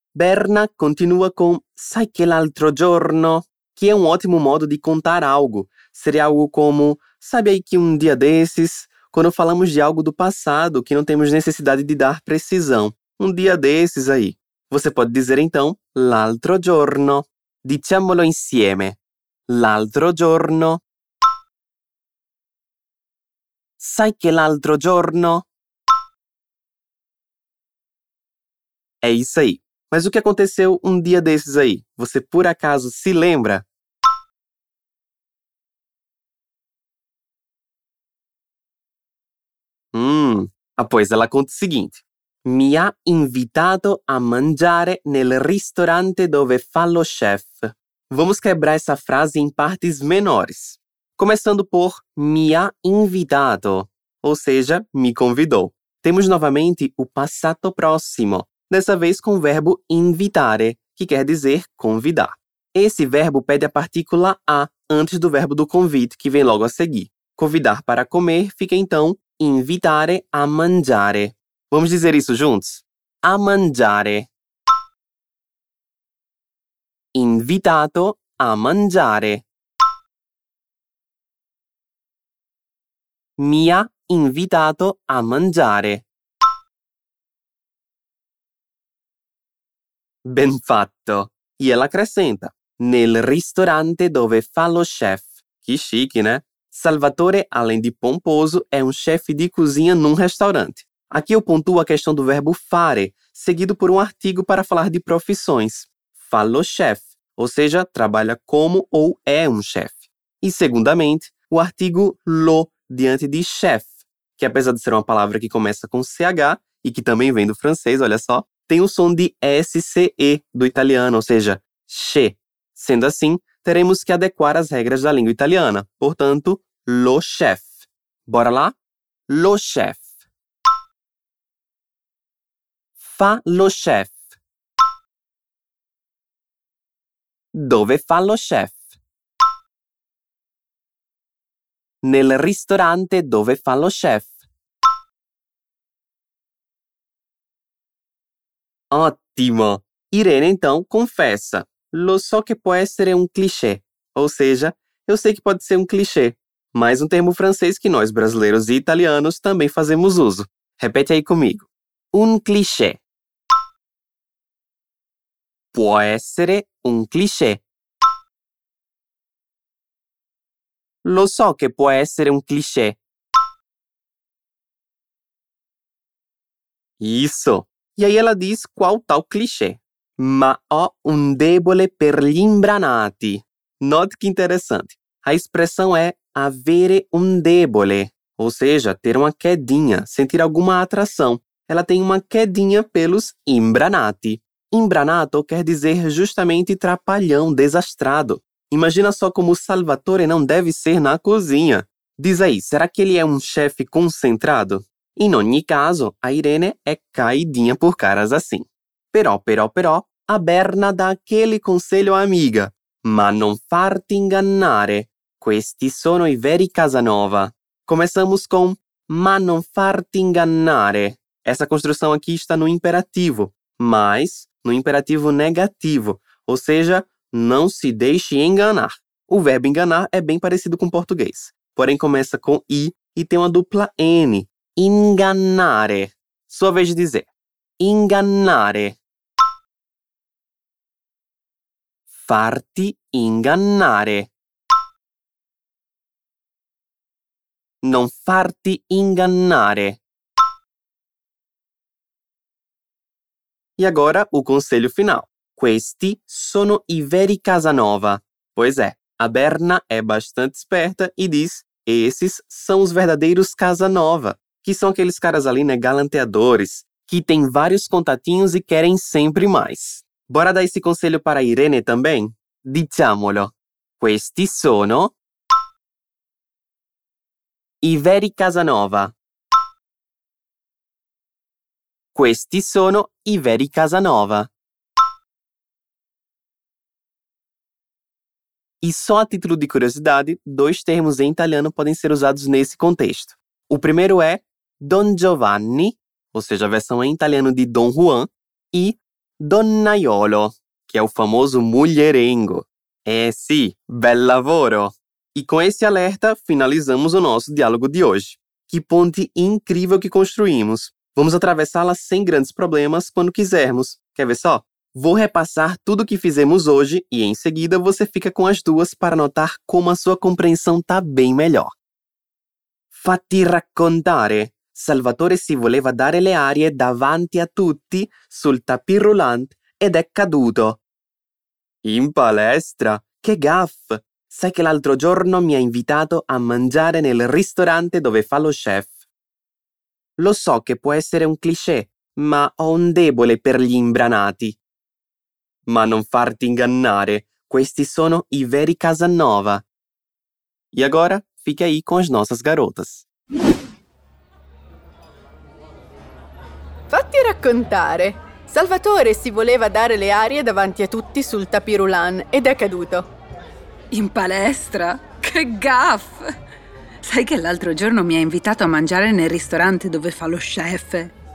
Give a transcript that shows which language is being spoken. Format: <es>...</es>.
<pt>Berna continua com</pt> <it>sai che l'altro giorno.</it> <pt>Que é um ótimo modo de contar algo. Seria algo como, sabe aí que um dia desses, quando falamos de algo do passado, que não temos necessidade de dar precisão. Um dia desses aí. Você pode dizer então,</pt> <it>l'altro giorno. Diciamolo insieme. L'altro giorno. Sai che l'altro giorno?</it> <pt>É isso aí. Mas o que aconteceu um dia desses aí? Você por acaso se lembra? Pois ela conta o seguinte.</pt> <it>Mi ha invitato a mangiare nel ristorante dove fa lo chef.</it> <pt>Vamos quebrar essa frase em partes menores. Começando por</pt> <it>me ha invitado,</it> <pt>ou seja, me convidou. Temos novamente o passato próximo, dessa vez com o verbo invitare, que quer dizer convidar. Esse verbo pede a partícula a antes do verbo do convite, que vem logo a seguir. Convidar para comer fica então</pt> <it>invitare a mangiare.</it> <pt>Vamos dizer isso juntos?</pt> <it>A mangiare. Invitato a mangiare. Mi ha invitato a mangiare. Ben fatto.</it> <pt>E ela acrescenta.</pt> <it>Nel ristorante dove fa lo chef.</it> <pt>Que chique, né? Salvatore, além de pomposo,</pt> <it>è un chef di cucina</it> <pt>num restaurante. Aqui eu pontuo a questão do verbo fare, seguido por um artigo para falar de profissões.</pt> <it>Fa lo chef,</it> <pt>ou seja, trabalha como ou é um chef. E, segundamente, o artigo lo, diante de chef, que apesar de ser uma palavra que começa com CH e que também vem do francês, olha só, tem o som de SCE do italiano, ou seja, che. Sendo assim, teremos que adequar as regras da língua italiana. Portanto, lo chef. Bora lá? Lo chef.</pt> <it>Fa lo chef. Dove fa lo chef? Nel ristorante dove fa lo chef. Ottimo! Irene,</it> <pt>então, confessa.</pt> <it>Lo so che può essere un cliché.</it> <pt>Ou seja, eu sei que pode ser um clichê. Mais um termo francês que nós, brasileiros e italianos, também fazemos uso. Repete aí comigo. Un cliché.</pt> <it>Può essere un cliché. Lo so che può essere un cliché.</it> <pt>Isso! E aí ela diz qual tal clichê.</pt> <it>Ma ho un debole per gli imbranati.</it> <pt>Note que interessante. A expressão è avere un debole, ou seja, ter uma quedinha, sentir alguma atração. Ela tem uma quedinha pelos imbranati. Imbranato quer dizer justamente trapalhão, desastrado. Imagina só como Salvatore não deve ser na cozinha. Diz aí, será que ele é um chefe concentrado?</pt> <it>In ogni caso,</it> <pt>a Irene è caidinha por caras assim. Però, a Berna dà aquele conselho à amiga.</pt> <it>Ma non farti ingannare. Questi sono i veri Casanova.</it> <pt>Começamos com</pt> <it>ma non farti ingannare.</it> <pt>Essa construção aqui está no imperativo, mas no imperativo negativo, ou seja, não se deixe enganar. O verbo enganar é bem parecido com português, porém começa com I e tem uma dupla N. Ingannare. Sua vez de dizer. Ingannare.</pt> <it>Farti ingannare. Non farti ingannare.</it> <pt>E agora o conselho final.</pt> <it>Questi sono i veri Casanova.</it> <pt>Pois é, a Berna é bastante esperta e diz: esses são os verdadeiros Casanova, que são aqueles caras ali, né, galanteadores, que têm vários contatinhos e querem sempre mais. Bora dar esse conselho para a Irene também?</pt> <it>Diciamolo. Questi sono i veri Casanova. Questi sono i veri Casanova.</it> <pt>E só a título de curiosidade, dois termos em italiano podem ser usados nesse contexto. O primeiro é Don Giovanni, ou seja, a versão em italiano de Don Juan, e Donnaiolo, que é o famoso mulherengo. É sim,</pt> <it>bel lavoro!</it> <pt>E com esse alerta, finalizamos o nosso diálogo de hoje. Que ponte incrível que construímos! Vamos atravessá-la sem grandes problemas quando quisermos. Quer ver só? Vou repassar tudo o que fizemos hoje e em seguida você fica com as duas para notar como a sua compreensão está bem melhor.</pt> <it>Fatti raccontare! Salvatore si voleva dare le arie davanti a tutti sul tapis roulant ed è caduto. In palestra? Che gaffe! Sai che l'altro giorno mi ha invitato a mangiare nel ristorante dove fa lo chef. Lo so che può essere un cliché, ma ho un debole per gli imbranati. Ma non farti ingannare, Questi sono i veri Casanova.</it> <pt>E agora, fique aí com as nossas garotas.</pt> <it>Fatti raccontare. Salvatore si voleva dare le arie davanti a tutti sul tapirulan ed è caduto. In palestra? Che gaffe! Sai che l'altro giorno mi ha invitato a mangiare nel ristorante dove fa lo chef?</it>